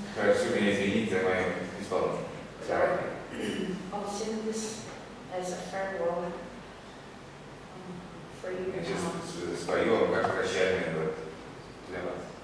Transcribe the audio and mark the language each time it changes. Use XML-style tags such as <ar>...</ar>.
<ru>Прошу меня извинить за мое исполнение.</ru> <en>I'll sing this as a farewell for you.</en> <ru>Я сейчас спою вам как прощальный год для вас.</ru>